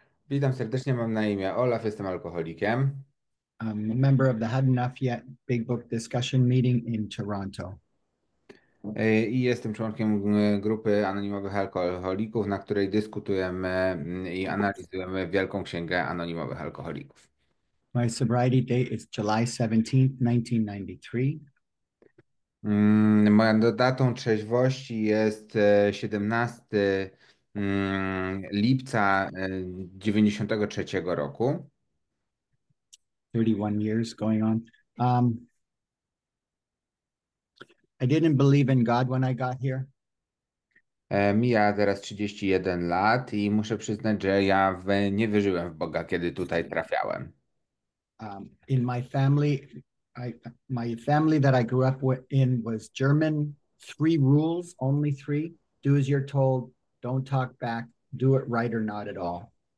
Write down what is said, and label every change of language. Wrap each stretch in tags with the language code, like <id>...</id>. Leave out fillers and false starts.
<pl>Witam serdecznie, mam na imię Olaf, jestem alkoholikiem.</pl> <en>I'm a member of the Had Enough Yet Big Book Discussion Meeting in Toronto.</en> <pl>I jestem członkiem grupy anonimowych alkoholików, na której dyskutujemy i analizujemy Wielką Księgę Anonimowych Alkoholików.</pl> <en>My sobriety date is July 17th, 1993.</en> <pl>Moją datą trzeźwości jest 17 lipca 93 roku.</pl> <en>31 years going on. I didn't believe in God when I got here.</en> <pl>Mija teraz 31 lat i muszę przyznać, że ja nie wierzyłem w Boga, kiedy tutaj trafiałem.</pl> <en>In my family, my family that I grew up with in was German. Three rules, only three. Do as you're told, don't talk back, do it right or not at all.</en>